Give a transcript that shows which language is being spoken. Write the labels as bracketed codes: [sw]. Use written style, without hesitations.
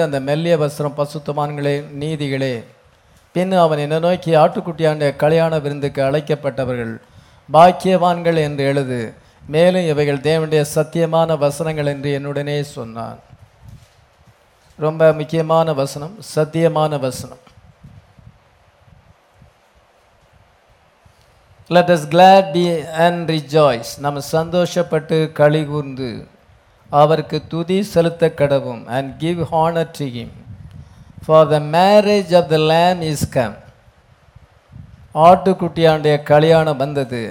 [ta] அந்த மெல்லிய வஸ்திரம் பரிசுத்தமானங்களே நீதிகளே. பின்னு அவன் என்ன நோக்கி, ஆட்டுக்குட்டியாண்ட கல்யாண விருந்துக்கு அழைக்கப்பட்டவர்கள் பாக்கியவான்கள் என்று எழுது, மேலும் இவைகள் தேவனுடைய சத்தியமான வசனங்கள் என்று என்னுடனே சொன்னான். ரொம்ப முக்கியமான வசனம், சத்தியமான வசனம். [en] Let us glad be and rejoice. [ta] நம்ம சந்தோஷப்பட்டு களி கூர்ந்து அவருக்கு துதி செலுத்த கடவும். [en] And give honor to him. For the marriage of the Lamb is come. [ta] ஆட்டுக்குட்டியாண்டைய கல்யாணம் வந்தது.